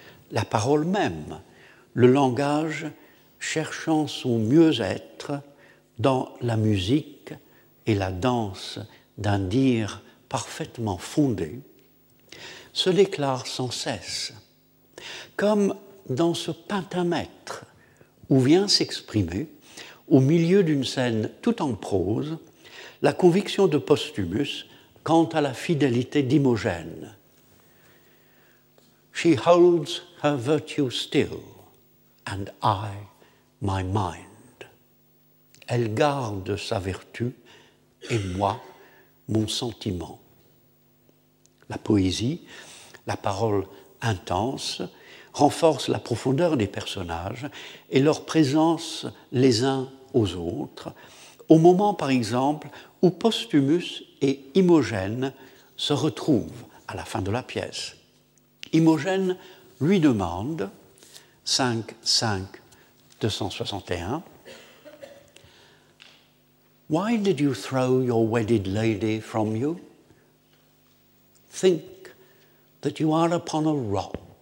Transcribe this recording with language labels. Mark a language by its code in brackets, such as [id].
[fr] La parole même, le langage cherchant son mieux-être dans la musique et la danse d'un dire parfaitement fondé, se déclare sans cesse, comme dans ce pentamètre où vient s'exprimer, au milieu d'une scène tout en prose, la conviction de Postumus quant à la fidélité d'Imogène. [en] She holds her virtue still, and I my mind. [fr] Elle garde sa vertu, et moi mon sentiment. La poésie, la parole intense, renforce la profondeur des personnages et leur présence les uns aux autres, au moment par exemple où Postumus et Imogène se retrouvent à la fin de la pièce. Imogène lui demande, [en] 5-5-261, « Why did you throw your wedded lady from you? Think that you are upon a rock.